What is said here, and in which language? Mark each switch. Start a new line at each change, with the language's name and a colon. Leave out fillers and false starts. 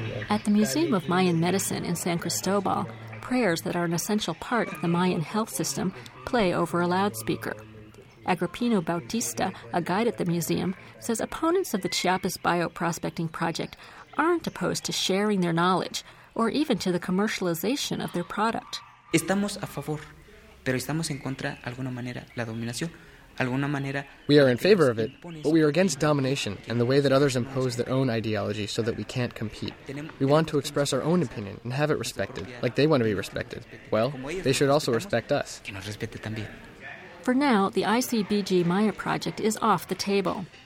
English: At the Museum of Mayan Medicine in San Cristobal, prayers that are an essential part of the Mayan health system play over a loudspeaker. Agrippino Bautista, a guide at the museum, says opponents of the Chiapas bioprospecting project aren't opposed to sharing their knowledge or even to the commercialization of their product.
Spanish: Estamos a favor, pero estamos en contra, de alguna manera, la dominación.
English: We are in favor of it, but we are against domination and the way that others impose their own ideology so that we can't compete. We want to express our own opinion and have it respected, like they want to be respected. Well, they should also respect us. For now, the ICBG Maya project is off the table.